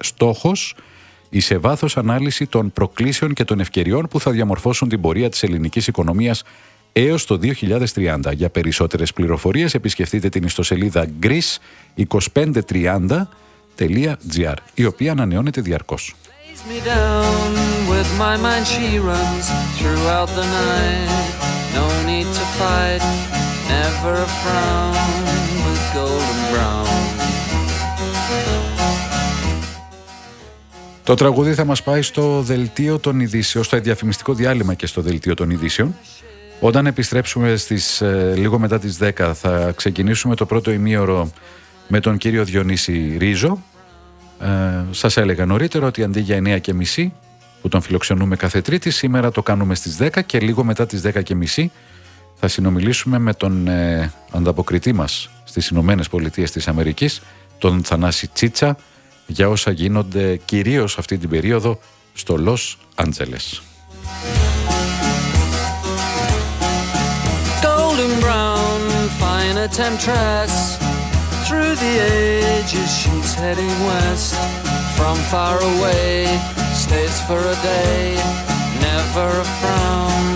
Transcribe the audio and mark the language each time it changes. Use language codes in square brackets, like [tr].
[el] Στόχος, η σε βάθος ανάλυση των προκλήσεων και των ευκαιριών που θα διαμορφώσουν την πορεία της ελληνικής οικονομίας έως το 2030. Για περισσότερες πληροφορίες επισκεφτείτε την ιστοσελίδα greece2530.gr, η οποία ανανεώνεται διαρκώς. [en] Me down with my mind, she runs throughout the night. No need to fight, never a frown with golden brown. [el] Το τραγούδι θα μας πάει στο δελτίο των ειδήσεων, στο διαφημιστικό διάλειμμα και στο δελτίο των ειδήσεων. Όταν επιστρέψουμε στις λίγο μετά τις 10, θα ξεκινήσουμε το πρώτο ημίωρο με τον κύριο Διονύση Ρίζο. Σας έλεγα νωρίτερα ότι αντί για 9.30 που τον φιλοξενούμε κάθε Τρίτη, σήμερα το κάνουμε στις 10 και λίγο μετά τις 10.30 θα συνομιλήσουμε με τον ανταποκριτή μας στις Ηνωμένες Πολιτείες της Αμερικής, τον Θανάση Τσίτσα, για όσα γίνονται κυρίως αυτή την περίοδο στο Λος Άντζελες. [en] Golden brown, fine temptress. Through the ages she's heading west. From far away, stays for a day, never a frown.